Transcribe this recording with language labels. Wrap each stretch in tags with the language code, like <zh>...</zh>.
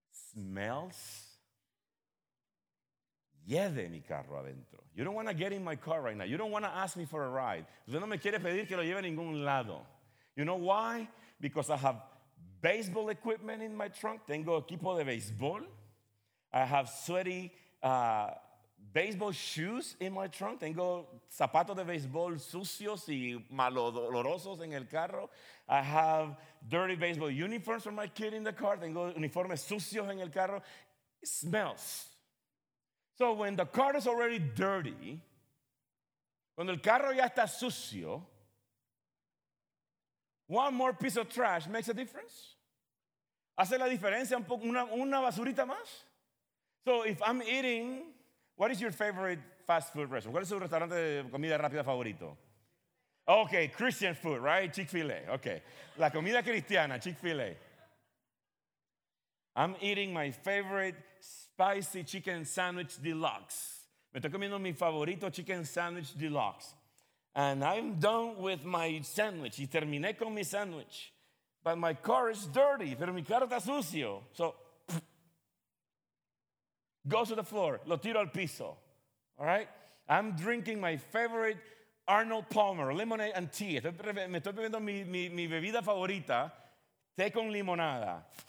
<en>Smells.</en> <es>Lleve mi carro adentro.</es> <en>You don't want to get in my car right now. You don't want to ask me for a ride.</en> <es>Usted no me quiere pedir que lo lleve a ningún lado.</es> <en>You know why? Because I have baseball equipment in my trunk.</en> <es>Tengo equipo de béisbol.</es> <en>I have sweaty baseball shoes in my trunk.</en> <es>Tengo zapatos de béisbol sucios y malodorosos en el carro.</es> <en>I have dirty baseball uniforms for my kid in the car.</en> <es>Tengo uniformes sucios en el carro.</es> <en>It smells. So when the car is already dirty,</en> <es>cuando el carro ya está sucio,</es> <en>one more piece of trash makes a difference.</en> <es>Hace la diferencia un poco, una basurita más.</es> <en>So if I'm eating, what is your favorite fast food restaurant?</en> <es>¿Cuál es su restaurante de comida rápida favorito?</es> <en>Okay, Christian food, right? Chick-fil-A. Okay,</en> <es>la comida cristiana,</es> <en>Chick-fil-A. I'm eating my favorite spicy chicken sandwich deluxe.</en> <es>Me estoy comiendo mi favorito chicken sandwich deluxe.</es> <en>And I'm done with my sandwich.</en> <es>Y terminé con mi sandwich.</es> <en>But my car is dirty.</en> <es>Pero mi carro está sucio.</es> <en>So, goes to the floor.</en> <es>Lo tiro al piso.</es> <en>All right? I'm drinking my favorite Arnold Palmer, lemonade and tea.</en> <es>Me estoy bebiendo mi bebida favorita, té con limonada.</es>